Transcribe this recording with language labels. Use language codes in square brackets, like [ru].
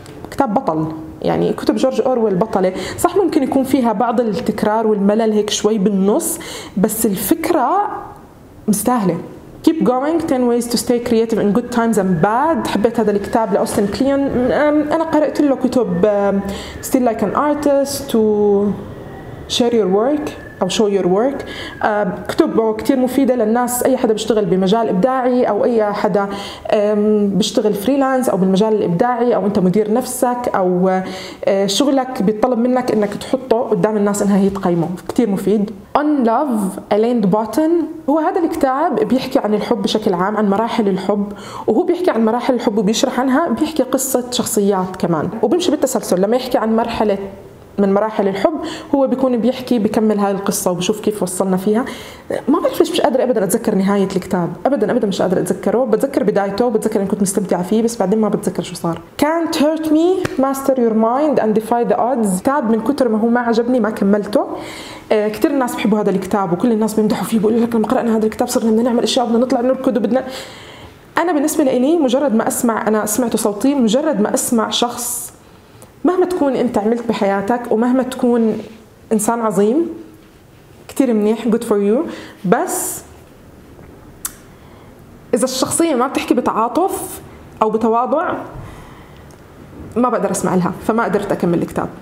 [ar] كتاب بطل، يعني كتب جورج أورويل بطلة، صح ممكن يكون فيها بعض التكرار والملل هيك شوي بالنص، بس الفكرة مستاهلة [en] Keep Going 10 Ways to Stay Creative in Good Times and Bad. [ar] حبيت هذا الكتاب لأوستن كليون. أنا قرأت له كتب Still Like an Artist to Share Your Work أو Show Your Work. كتبه كتير مفيدة للناس, أي حدا بيشتغل بمجال إبداعي أو أي حدا بيشتغل فريلانس أو بالمجال الإبداعي أو أنت مدير نفسك أو شغلك بيطلب منك أنك تحطه قدام الناس أنها هي تقيمه. كتير مفيد. On Love Alain de Botton, هو هذا الكتاب بيحكي عن الحب بشكل عام, عن مراحل الحب, وهو بيحكي عن مراحل الحب وبيشرح عنها, بيحكي قصة شخصيات كمان وبيمشي بالتسلسل. لما يحكي عن مرحلة من مراحل الحب هو بيكون بيحكي بيكمل هاي القصة وبشوف كيف وصلنا فيها. ما بعرف ليش مش قادرة أبدا أتذكر نهاية الكتاب, أبدا أبدا مش قادرة أتذكره. بتذكر بدايته وبتذكر إن كنت مستمتعة فيه بس بعدين ما بتذكر شو صار. [en] Can't Hurt Me Master Your Mind and Defy the Odds, كتاب من كتر ما هو ما عجبني ما كملته. [ar] كتير الناس بحبوا هذا الكتاب وكل الناس بيمدحوا فيه, بيقولوا لك لما قرأنا هذا الكتاب صرنا بدنا نعمل أشياء, بدنا نطلع نركض وبدنا. أنا بالنسبة لي مجرد ما أسمع, أنا سمعته صوتي, مجرد ما أسمع شخص مهما تكون أنت عملت بحياتك ومهما تكون إنسان عظيم كتير منيح, [en] good for you, [ar] بس إذا الشخصية ما بتحكي بتعاطف أو بتواضع ما بقدر أسمع لها, فما قدرت أكمل الكتاب.